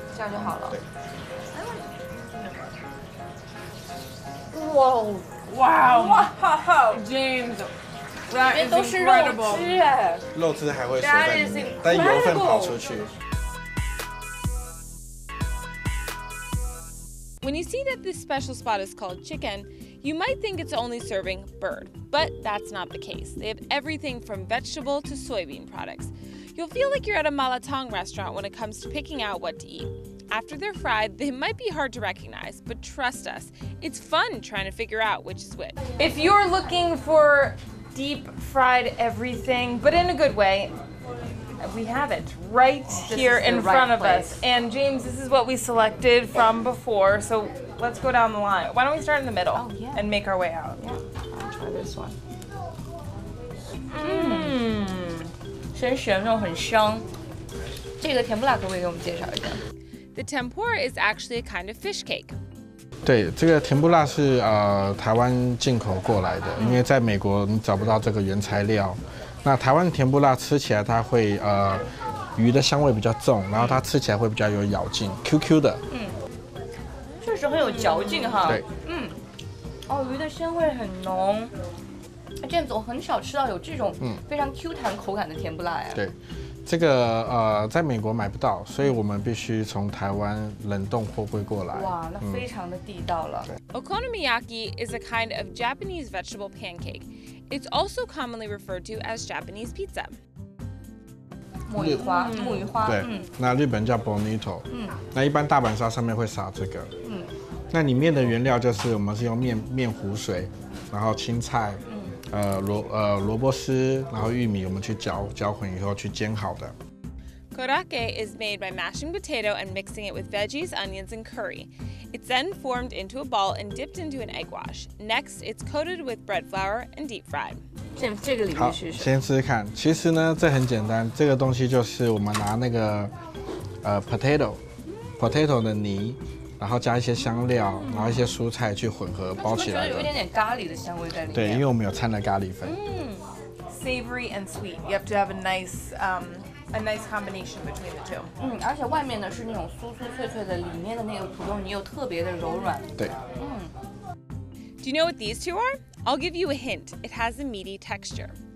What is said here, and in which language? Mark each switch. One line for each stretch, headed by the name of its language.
Chinese: 这样就好了。对。
English: Wow! James. That is incredible.
Chinese: 肉汁还会缩在里面，但油分跑出去。
English: When you see that this special spot is called chicken, you might think it's only serving bird, but that's not the case. They have everything from vegetable to soybean products. You'll feel like you're at a malatang restaurant when it comes to picking out what to eat. After they're fried, they might be hard to recognize, but trust us, it's fun trying to figure out which is which. If you're looking for deep fried everything, but in a good way. We have it right here in front of us. And James, this is what we selected from before. So let's go down the line. Why don't we start in the middle and make our way out? Yeah, I'll try this one.
Chinese: Mmm. 鲜鲜肉很香。这个甜不辣可不可以给我们介绍一下?
English: The tempura is actually a kind of fish cake.
Chinese: 对，这个甜不辣是台湾进口过来的，因为在美国你找不到这个原材料。那台湾甜不辣吃起来它会鱼的香味比较重，然后它吃起来会比较有咬劲 ，QQ 的。嗯，确实很有嚼劲哈。对，嗯，哦，鱼的鲜味很浓。这样子我很少吃到有这种非常 Q 弹口感的甜不辣呀。对。这个在美国买不到，所以我们必须从台湾冷冻货柜过来。哇，那非常的地道了。
English: Okonomiyaki is a kind of Japanese vegetable pancake. It's also commonly referred to as Japanese pizza.
Chinese: 木鱼花。对，那日本叫 bonito。嗯。那一般大阪烧上面会撒这个。嗯。那里面的原料就是我们是用面糊水，然后青菜。萝卜丝，然后玉米，我们去搅混以后去煎好的。
English: Korake is made by mashing potato and mixing it with veggies, onions, and curry. It's then formed into a ball and dipped into an egg wash. Next, it's coated with bread flour and deep fried.
Chinese: 这个里面试试。好，先试试看。其实呢，这很简单。这个东西就是我们拿那个potato 的泥。然后加一些香料，然后一些蔬菜去混合包起来的。它是不是觉得有一点点咖喱的香味在里面？对，因为我们有掺了咖喱粉。嗯
English: ，savory and sweet. You have to have a nice combination between the two.
Chinese: 嗯，而且外面呢是那种酥酥脆脆的，里面的那个土豆泥又特别的柔软。对。嗯。
English: Do you know what these two are? I'll give you a hint. It has a meaty texture.